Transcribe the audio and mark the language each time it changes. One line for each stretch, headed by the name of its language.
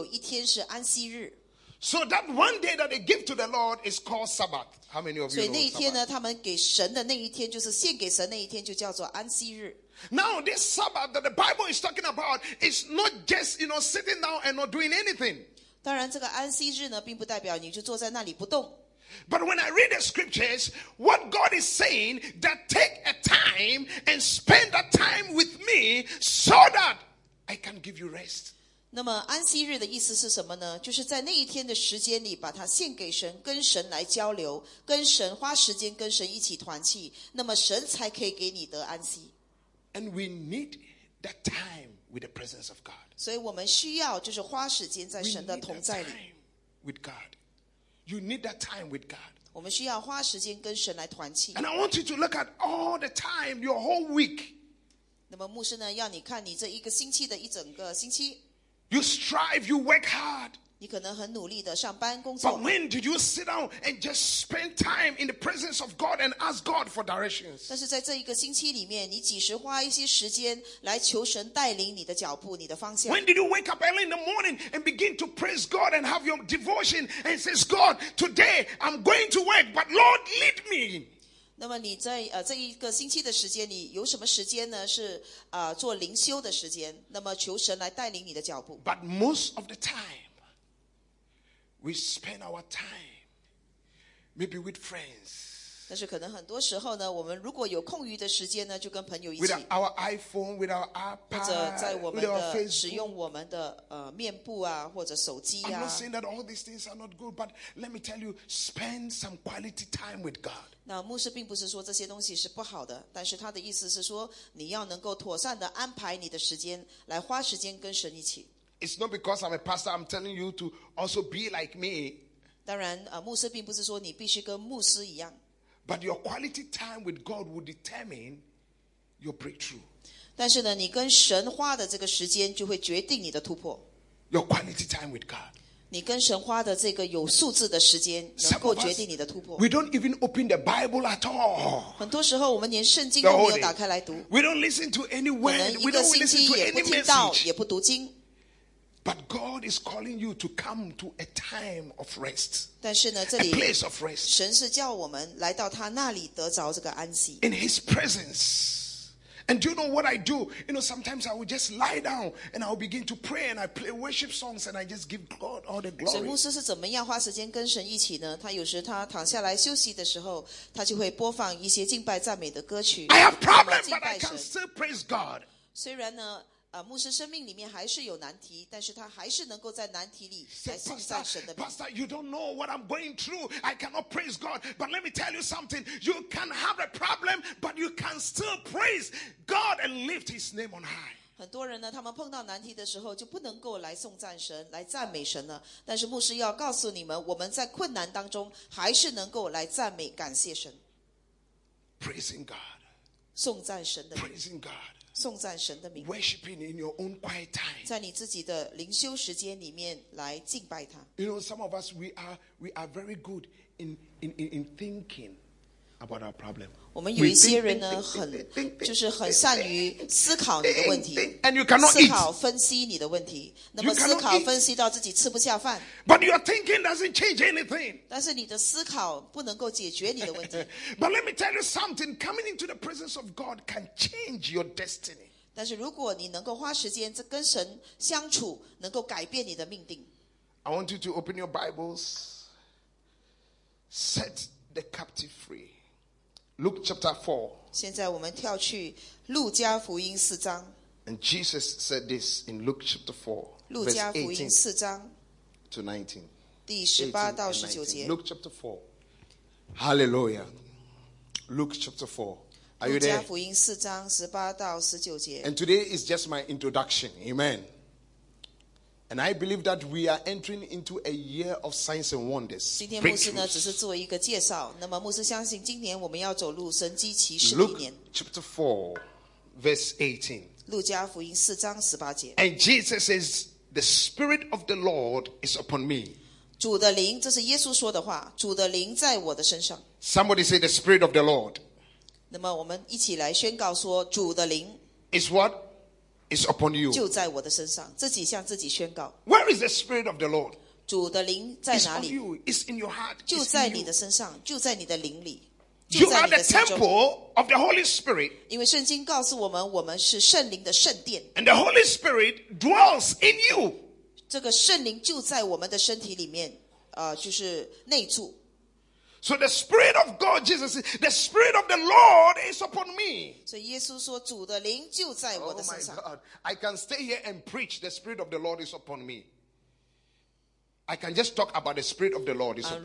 Chinese: 并且呢，在旧约时候呢，神也是有立法，就是所有的犹太人呢，他们必须有一天是安息日。
English: So that one day that they give to the Lord is called Sabbath. How many of you know?
Chinese: 所以那一天呢，他们给神的那一天，就是献给神那一天，就叫做安息日。
English: Now this Sabbath that the Bible is talking about is not just, you know, sitting down and not doing anything.
Chinese: 当然，这个安息日呢，并不代表你就坐在那里不动。
English: But when I read the scriptures, what God is saying, that take a time and spend that time with me so that I can give you rest.
Chinese: 那么安息日的意思是什么呢？就是在那一天的时间里把它献给神，跟神来交流，跟神花时间跟神一起团契，那么神才可以给你得安息。
English: And we need that time with the presence of God. 所以我们需要就是花时间在神的同在里。 We need that time. with God. You need that time with God.
Chinese: 我们需要花时间跟神来团契。
English: And I want you to look at all the time, your whole week.
Chinese: 那么牧师呢，要你看你这一个星期的一整个星期。
English: You strive, you work hard.
Chinese: 你可能很努力的上班工作。
English: But when did you sit down and just spend time in the presence of God and ask God for directions?
Chinese: 但是在这一个星期里面，你几时花一些时间来求神带领你的脚步，你的方向？
English: When did you wake up early in the morning and begin to praise God and have your devotion and says, God, today I'm going to work, but Lord, lead me.
Chinese: 那么你在这一个星期的时间，你有什么时间呢？是做灵修的时间，那么求神来带领你的脚步。
English: But most of the time,We spend our time, maybe with friends.
Chinese: 但是可能很多时候呢，我们如果有空余的时间呢，就跟朋友一起。
English: With our iPhone, with our iPad,
Chinese: 或者在我们的使用我们的面部啊，或者手机啊。
English: I'm not saying that all these things are not good, but let me tell you, spend some quality time with God.
Chinese: 那牧师并不是说这些东西是不好的，但是他的意思是说，你要能够妥善的安排你的时间，来花时间跟神一起。
English: It's not because I'm a pastor, I'm telling you to also be like me.
Chinese: 当然，牧师并不是说你必须跟牧师一样。
English: But your quality time with God will determine your breakthrough.
Chinese: 但是呢，你跟神花的这个时间就会决定你的突破。
English: Your quality time with God.
Chinese: 你跟神花的这个有数字的时间能够决定你的突破。
English: We don't even open the Bible at all.
Chinese: 很多时候我们连圣经都没有打开来读。
English: We don't listen to any word. We don't listen to any message.
Chinese: 我们一个星期也不听到，也不读经。
English: But God is calling you to come to a time of rest.
Chinese: 但是呢，这里
English: a place of rest.
Chinese: 神是叫我们来到他那里得着这个安息。
English: In His presence. And do you know what I do? You know, sometimes I will just lie down and I will begin to pray and I play worship songs and I just give God all the glory.
Chinese: 所以牧师是怎么样花时间跟神一起呢？他有时他躺下来休息的时候，他就会播放一些敬拜赞美的歌曲。
English: I have problems, but I can still praise God.
Chinese: 虽然呢。牧师生命里面还是有难题，但是他还是能够在难题里来敬拜神的。
English: Pastor, you don't know what I'm going through. I cannot praise God. But let me tell you something. You can have a problem, but you can still praise God and lift His name on high.
Chinese: 很多人呢，他们碰到难题的时候就不能够来颂赞神、来赞美神了。但是牧师要告诉你们，我们在困难当中还是能够来赞美、感谢神。
English: Praising God.
Chinese: 颂赞神的。
English: Praising God.
Chinese: 颂赞神的名，
English: worshiping in your own quiet time.
Chinese: 在你自己的灵修时间里面来敬拜他。
English: You know, some of us we are very good in thinking about our problem.
Chinese: 我们有一些人呢，很就是很善于思考你的问题
English: ，and you cannot eat.
Chinese: 思考分析你的问题，那么思考分析到自己吃不下饭。
English: But your thinking doesn't change anything.
Chinese: 但是你的思考不能够解决你的问题。
English: But let me tell you something: coming into the presence of God can change your destiny.
Chinese: 但是如果你能够花时间跟神相处，能够改变你的命定。
English: I want you to open your Bibles. Set the captive free. Luke chapter 4.
Chinese: 现在我们跳去路加福音四章。
English: And Jesus said this in Luke chapter 4.
Chinese: 路加福音四章。
English: To 19.
Chinese: 第十八到十九节。
English: Luke chapter 4. Hallelujah. Luke chapter 4. Are you there?
Chinese: 路加福音四章十八到十九节。
English: And today is just my introduction. Amen. And I believe that we are entering into a year of signs and wonders.
Chinese: 今天牧师呢只是做一个介绍。那么牧师相信今年我们要走入神迹奇事的一年。
English: Luke chapter 4, verse 18.
Chinese: 路加福音四章十八节。
English: And Jesus says, the Spirit of the Lord is upon me.
Chinese: 主的灵，这是耶稣说的话。主的灵在我的身上。
English: Somebody say the Spirit of the Lord.
Chinese: 那么我们一起来宣告说主的灵。
English: Is what? Is upon you.
Chinese: 就在我的身上，自己向自己宣告。
English: Where is the Spirit of the Lord?
Chinese: 主的灵在哪里？
English: It's on you. It's in your heart.
Chinese: 就在你的身上，就在你的灵里。
English: You are the temple of the Holy Spirit.
Chinese: 因为圣经告诉我们，我们是圣灵的圣殿。
English: And the Holy Spirit dwells in you.
Chinese: 这个圣灵就在我们的身体里面，就是内住。
English: So the Spirit of God, Jesus, the Spirit of the Lord is upon me. So Jesus
Chinese: 说主的灵就在我的身上。
English: Oh my God, I can stay here and preach the Spirit of the Lord is upon me. I can just talk about the Spirit of the Lord is upon me.